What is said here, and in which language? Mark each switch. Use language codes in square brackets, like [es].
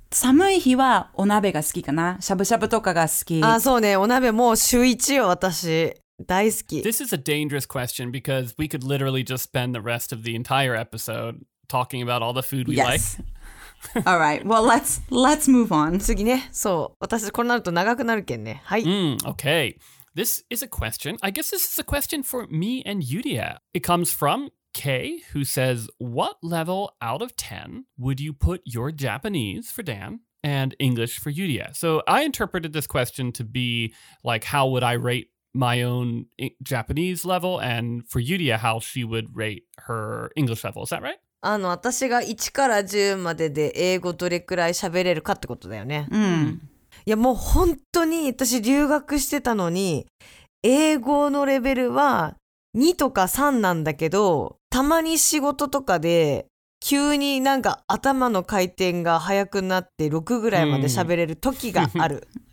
[ja] 寒い日はお鍋が好きかな。しゃぶしゃぶとかが好き。あ、そうね。お鍋もう週一よ、私。大好き。 [en] This is a dangerous question because we could literally just spend the rest of the entire episode. Talking about all the food we、 yes. like. All right. Well, let's move on. [ja] 次ね。そう。私、これになると長くなるけんね。はい。 [en] Okay. This is a question. I guess this is a question for me and Yuria. It comes from Kay, who says, What level out of 10 would you put your Japanese for Dan and English for Yuria? So I interpreted this question to be like, how would I rate my own Japanese level? And for Yuria, how she would rate her English level. Is that right? [ja] あの私が1から10までで英語どれくらい喋れるかってことだよね。うん。いやもう本当に私留学してたのに英語のレベルは2とか3なんだけど、たまに仕事とかで急になんか頭の回転が速くなって6ぐらいまで喋れる時がある。